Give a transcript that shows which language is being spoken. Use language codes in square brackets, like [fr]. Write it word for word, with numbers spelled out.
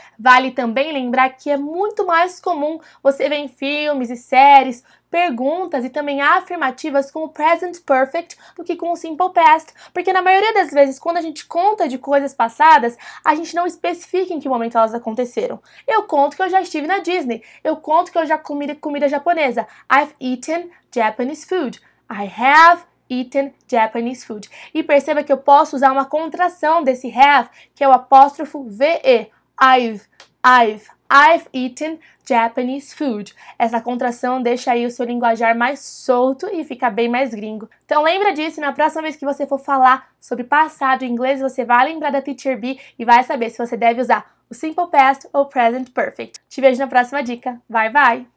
[pt] Vale também lembrar que é muito mais comum você ver em filmes e séries perguntas e também afirmativas com o present perfect do que com o simple past, porque na maioria das vezes, quando a gente conta de coisas passadas, a gente não especifica em que momento elas aconteceram. Eu conto que eu já estive na Disney, eu conto que eu já comi comida japonesa. [en] I've eaten Japanese food. I have eaten Japanese food. [pt] E perceba que eu posso usar uma contração desse have, que é o apóstrofo V E. [en] I've, I've, I've eaten Japanese food. [pt] Essa contração deixa aí o seu linguajar mais solto e fica bem mais gringo. Então lembra disso, na próxima vez que você for falar sobre passado em inglês, você vai lembrar da Teacher B e vai saber se você deve usar o simple past ou present perfect. Te vejo na próxima dica. Bye, bye!